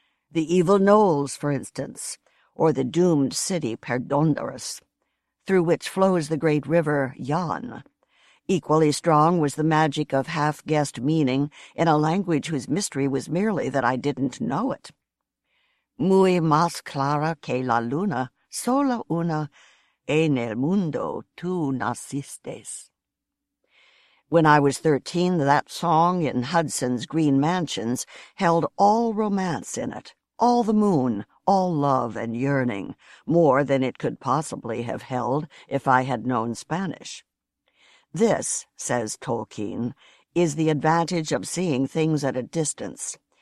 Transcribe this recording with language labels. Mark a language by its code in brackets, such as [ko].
[en] The evil knolls, for instance, or the doomed city Perdondaris, through which flows the great river Yann. Equally strong was the magic of half-guessed meaning in a language whose mystery was merely that I didn't know it. [es] Muy más clara que la luna, sola una, en el mundo tú nacistes. [en] When I was 13, that song in Hudson's Green Mansions held all romance in it, all the moon, all love and yearning, more than it could possibly have held if I had known Spanish. This, says Tolkien, is the advantage of seeing things at a distance.